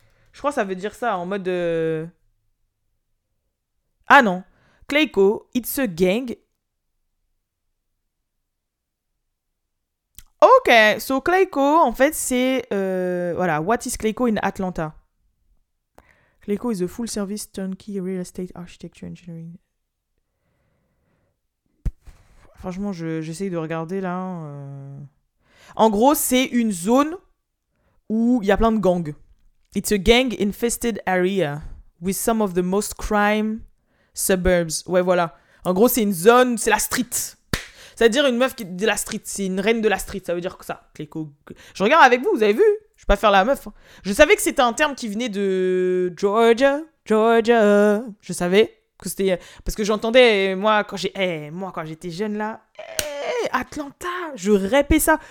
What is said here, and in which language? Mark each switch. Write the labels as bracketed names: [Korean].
[French] Je crois que ça veut dire ça, en mode... Ah non. [English] Clayco, it's a gang. Ok, so [French] Clayco, en fait, c'est... [English] voilà, what is Clayco in Atlanta? Clayco is a full service turnkey real estate architecture engineering. [French] Franchement, j'essaye de regarder là. En gros, c'est une zone où il y a plein de gangs. [English] It's a gang infested area with some of the most crime suburbs. [French] Ouais, voilà. En gros, c'est une zone, c'est la street. C'est-à-dire une meuf qui est de la street. C'est une reine de la street. Ça veut dire que ça, Clayco. Je regarde avec vous, vous avez vu? Je vais pas faire la meuf. Je savais que c'était un terme qui venait de Georgia. Georgia. Je savais que c'était... Parce que j'entendais, quand j'étais jeune, là... Atlanta. Je rêvais ça.